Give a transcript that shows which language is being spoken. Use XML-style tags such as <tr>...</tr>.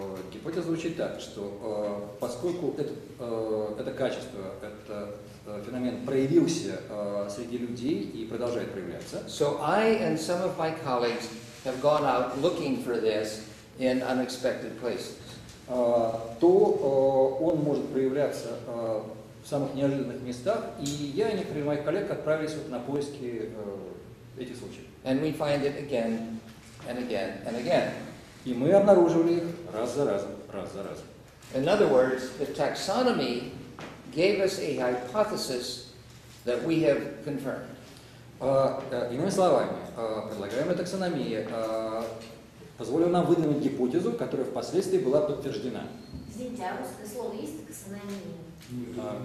<ru>Гипотеза звучит так, что поскольку это качество, это феномен проявился среди людей и продолжает проявляться.</ru> <en>So I and some of my colleagues have gone out looking for this in unexpected places.</en> <ru>Он может проявляться в самых неожиданных местах, и я и некоторые мои коллеги отправились вот на поиски этих случаев.</ru> <en>And we find it again and again and again.</en> <ru>И мы обнаруживали их раз за разом, раз за разом.</ru> <en>In other words, the taxonomy gave us a hypothesis that we have confirmed.</en> <ru>Иными словами, предлагаемая таксономия позволила нам выдвинуть гипотезу, которая впоследствии была подтверждена. Извините, а русское слово есть таксономия?</ru>